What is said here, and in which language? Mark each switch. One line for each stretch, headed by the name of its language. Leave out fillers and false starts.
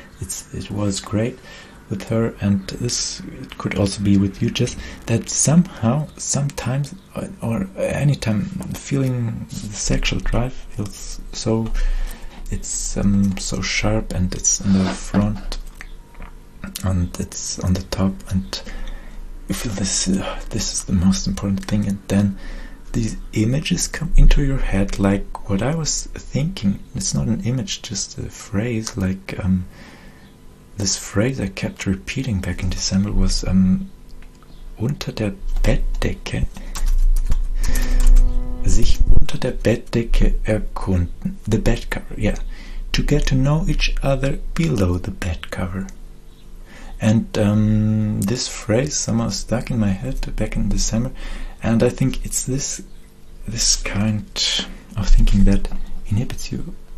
English: It was great with her, and this it could also be with you, just that somehow, sometimes, or anytime, feeling the sexual drive feels so, it's so sharp, and it's in the front, and it's on the top, and you feel this is the most important thing, and then these images come into your head, like what I was thinking. It's not an image, just a phrase, like, this phrase I kept repeating back in December was
German: unter der Bettdecke, sich unter der Bettdecke erkunden.
English: The bed cover, yeah. To get to know each other below the bed cover. And this phrase somehow stuck in my head back in December, and I think it's this kind of thinking that inhibits you.